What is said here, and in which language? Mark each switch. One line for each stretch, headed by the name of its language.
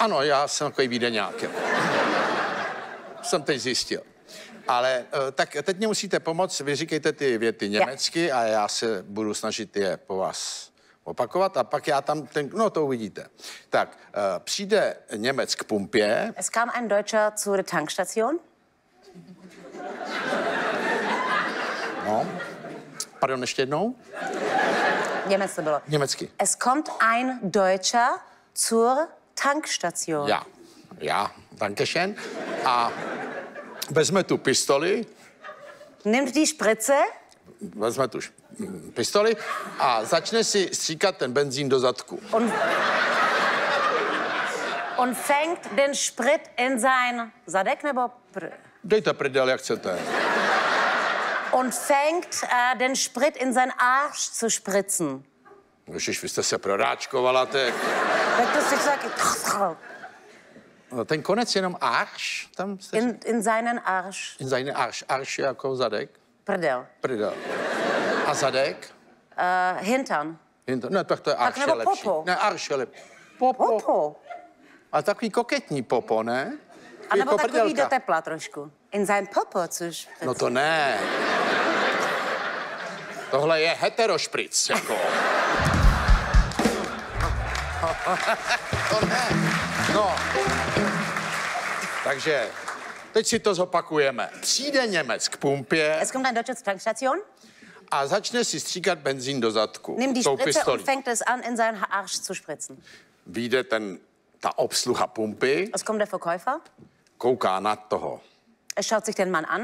Czech: Ano, já jsem takový Vídeňák. Jsem teď zjistil. Ale tak teď mě musíte pomoct, vy říkejte ty věty německy a já se budu snažit je po vás opakovat a pak já tam ten, no to uvidíte. Tak, přijde Němec k pumpě.
German: Es kam ein Deutscher zur Tankstation.
Czech: No, pardon, ještě jednou. Němec to bylo. Německy.
German: Es kommt ein Deutscher zur Tankstation. Ja, dankeschön.
Czech: A vezme tu pistoli.
German: Nimmt die Spritze.
Czech: Vezme tu pistoli a začne si stříkat ten benzín do zadku.
German: On fängt den Sprit in sein Zadek, nebo...
Czech: Dejte prdel, jak chcete.
German: Und fängt den Sprit in sein Arsch zu spritzen.
Czech: Ježiš, vy jste se proráčkovala, tak... Tak to si taky... Ten konec jenom Arsch, tam...
German: In seinen Arsch. In seinen Arsch.
Czech: Arsch je jako zadek. Prdel. Prdel. A zadek?
German: Hintern. Hintern.
Czech: Ne, tak to je Arsch je lepší.
German: Popo.
Czech: Ne, Arsch je lepší. Popo.
German: Popo.
Czech: A takový koketní popo, ne? A nebo jako takový prdelka. Do tepla trošku.
German: In sein popo,
Czech: což... No to ne. Tohle je heterošpric, jako. To ne. No. Takže... Teď si to zopakujeme. Přijde Němec k pumpě.
German: Es kommt ein Deutscher zur Tankstation.
Czech: A začne si stříkat benzín do zadku.
German: Nimm die Spritze und fängt es an in seinen Arsch zu spritzen.
Czech: Vyjde ten ta obsluha pumpy.
German: Es kommt der Verkäufer.
Czech: Kouká na toho.
German: Er schaut sich den Mann an.